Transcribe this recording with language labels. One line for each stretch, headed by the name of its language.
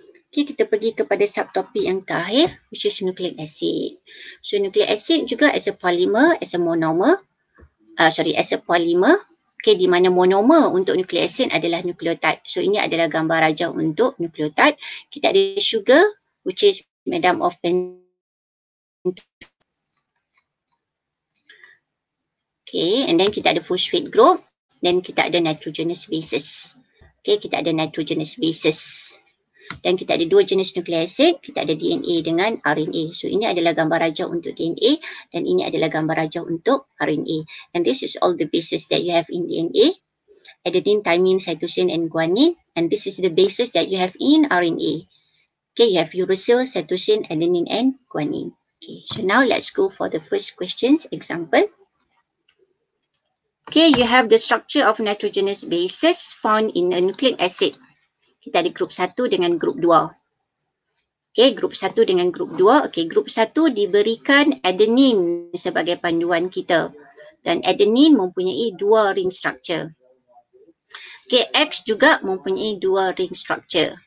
Malay: Okay, kita pergi kepada subtopik yang terakhir,
English: which is nucleic acid. So nucleic acid
Malay: juga
English: as a polymer, as a monomer. As a polymer.
Malay: Okay, di mana monomer untuk nucleic acid adalah nukleotide. So ini adalah gambar rajah untuk nukleotide. Kita ada
English: sugar, which is made up of okay, and then
Malay: kita ada
English: phosphate group. Then
Malay: kita ada
English: nitrogenous bases. Okay, kita ada nitrogenous bases.
Malay: Dan kita ada dua jenis nucleic acid. Kita ada DNA dengan RNA. So, ini adalah gambar rajah untuk DNA. Dan ini adalah gambar rajah untuk RNA.
English: And this is all the bases that you have in DNA. Adenine, thymine, cytosine and guanine. And this is the bases that you have in RNA. Okay, you have uracil, cytosine, adenine and guanine. Okay, so now let's go for the first questions example. Okay, you have the structure of nitrogenous bases found in a nucleic acid.
Malay: Kita ada grup 1 dengan grup 2. Okay, grup 1 dengan grup 2. Okay, grup 1 diberikan adenine sebagai panduan kita. Dan adenine mempunyai dua ring structure. Okay, X juga mempunyai dua ring structure.